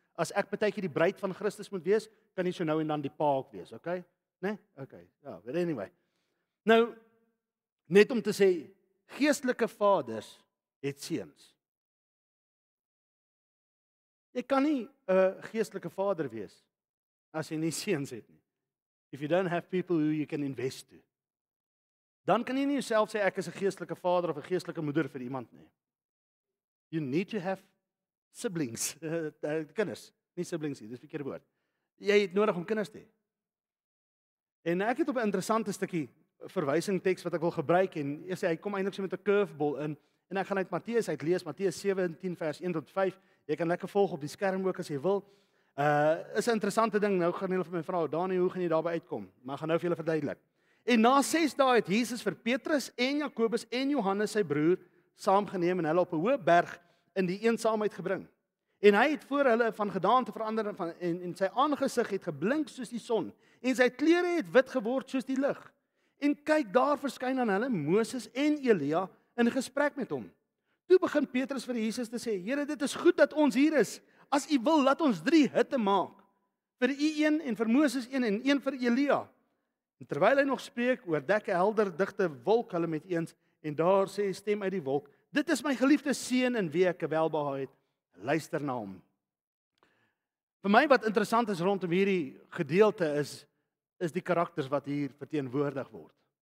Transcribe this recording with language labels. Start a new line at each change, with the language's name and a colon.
Afrikaans: As ek partykie die bruid van Christus moet wees, kan jy so nou en dan die pa ook wees, okay? Né? Nee? Okay. Ja,
English: but anyway.
Afrikaans: Nou, net om te sê, geestelike vaders het seuns. Jy kan nie 'n geestelike vader wees as jy nie seuns het nie.
English: If you don't have people who you can invest to.
Afrikaans: Dan kan jy nie jouself sê ek is 'n geestelike vader of 'n geestelike moeder vir iemand nie.
English: You need to have siblings,
Afrikaans: kinders, nie siblings nie, dis 'n verkeerde woord. Jy het nodig om kinders te hê. En ek het op 'n interessante stukkie verwysing teks wat ek wil gebruik en sê hy kom eintlik so met 'n curveball in en ek gaan uit Matteus uit lees Matteus 17 vers 1 tot 5. Jy kan lekker volg op die skerm ook as jy wil. Is 'n interessante ding. Nou gaan hulle vir my vra, Daniël, hoe gaan jy daarby uitkom? Maar ek gaan nou vir julle verduidelik. En na 6 dae het Jesus vir Petrus en Jakobus en Johannes sy broer saamgeneem en hulle op 'n hoë berg in die eensaamheid gebring. En hy het voor hulle van gedaante verander en sy aangesig het geblink soos die son en sy klere het wit geword soos die lig. En kyk, daar verskyn aan hulle Moses en Elia in gesprek met hom. Toe begin Petrus vir Jesus te sê, Here, dit is goed dat ons hier is. As u wil, laat ons 3 hutte maak. Vir u een en vir Moses een en een vir Elia. En terwyl hy nog spreek, oordek 'n helder digte wolk hulle met eens en daar sê stem uit die wolk, dit is my geliefde seun in wie ek welbehaag het. Luister na hom. Vir my wat interessant is rondom hierdie gedeelte is die karakters wat hier verteenwoordig word.